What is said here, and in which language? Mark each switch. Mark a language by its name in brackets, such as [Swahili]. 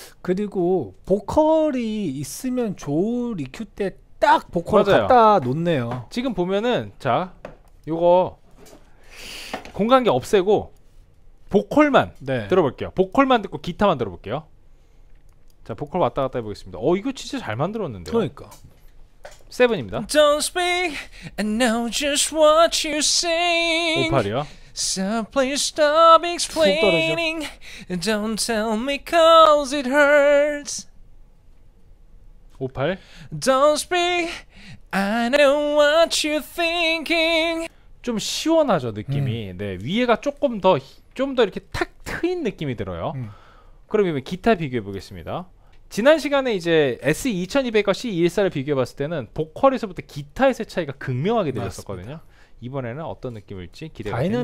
[Korean] 그리고 보컬이 있으면 좋을 EQ 때 딱 보컬 갖다 놓네요. 지금 보면은 자 요거 공간계 없애고 보컬만 네. 들어볼게요. 보컬만 듣고 기타만 들어볼게요. 자 보컬 왔다 갔다 해보겠습니다. 어 이거 진짜 잘 만들었는데요. 그러니까 세븐입니다. [English] Don't speak, I know just what you sing. [Korean] 58이요. [English] So please stop explaining. Don't tell me cause it hurts. 58. Don't speak, I know what you thinking. [Korean] 좀 시원하죠 느낌이. 네 위에가 조금 더 좀 더 이렇게 탁 트인 느낌이 들어요. 그럼 이번 기타 비교해 보겠습니다. 지난 시간에 이제 S2200과 C214를 비교해봤을 때는 보컬에서부터 기타에서의 차이가 극명하게 들렸었거든요. 이번에는 어떤 느낌일지 기대가 됩니다.